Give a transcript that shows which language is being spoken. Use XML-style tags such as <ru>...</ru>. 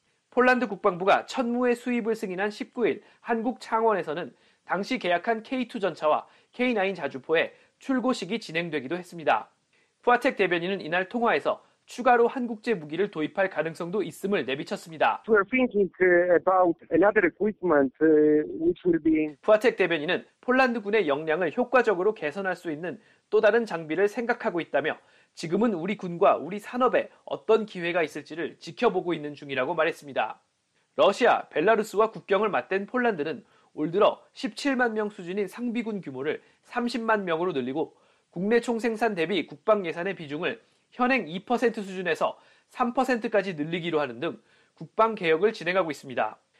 <ko>폴란드 국방부가 천무의 수입을 승인한 19일 한국 창원에서는 당시 계약한 K2 전차와 K9 자주포의 출고식이 진행되기도 했습니다. 푸아텍 대변인은 이날 통화에서 추가로 한국제 무기를 도입할 가능성도 있음을 내비쳤습니다.</ko> <en>We're thinking about another equipment which will be.</en> <ko>푸아텍 대변인은 폴란드군의 역량을 효과적으로 개선할 수 있는 또 다른 장비를 생각하고 있다며 지금은 우리 군과 우리 산업에 어떤 기회가 있을지를 지켜보고 있는 중이라고 말했습니다. 러시아, 벨라루스와 국경을 맞댄 폴란드는 올 들어 17만 명 수준인 상비군 규모를 30만 명으로 늘리고 국내 총 생산 대비 국방 예산의 비중을 현행 2% 수준에서 3%까지 늘리기로 하는 등 국방 개혁을 진행하고 있습니다.</ko>